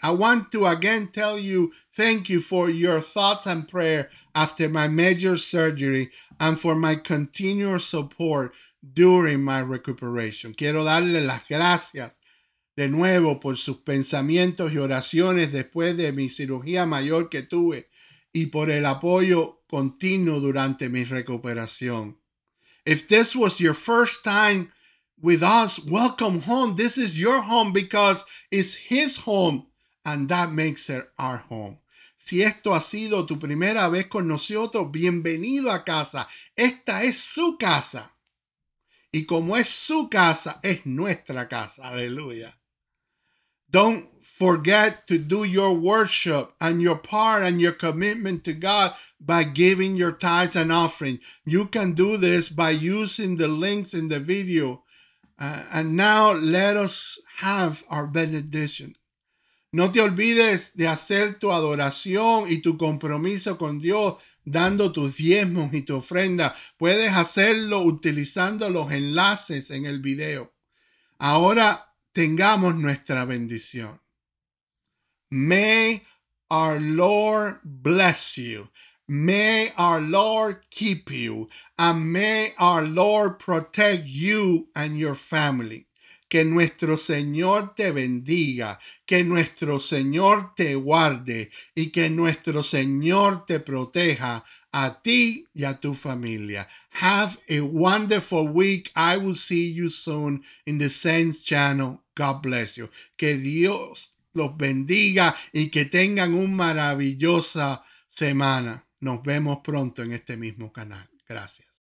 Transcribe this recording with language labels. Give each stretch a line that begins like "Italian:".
English: I want to again tell you thank you for your thoughts and prayer after my major surgery and for my continual support during my recuperation.
Spanish: Quiero darle las gracias de nuevo por sus pensamientos y oraciones después de mi cirugía mayor que tuve y por el apoyo continuo durante mi recuperación.
English: If this was your first time with us, welcome home. This is your home because it's his home and that makes it our home.
Spanish: Si esto ha sido tu primera vez con nosotros, bienvenido a casa. Esta es su casa. Y como es su casa, es nuestra casa. Aleluya.
English: Don't forget to do your worship and your part and your commitment to God by giving your tithes and offering. You can do this by using the links in the video. And now let us have our benediction.
Spanish: No te olvides de hacer tu adoración y tu compromiso con Dios dando tus diezmos y tu ofrenda. Puedes hacerlo utilizando los enlaces en el video. Ahora tengamos nuestra bendición.
English: May our Lord bless you. May our Lord keep you. And may our Lord protect you and your family.
Spanish: Que nuestro Señor te bendiga. Que nuestro Señor te guarde. Y que nuestro Señor te proteja a ti y a tu familia.
English: Have a wonderful week. I will see you soon in the Saints Channel. God bless you.
Spanish: Que Dios los bendiga y que tengan una maravillosa semana. Nos vemos pronto en este mismo canal. Gracias.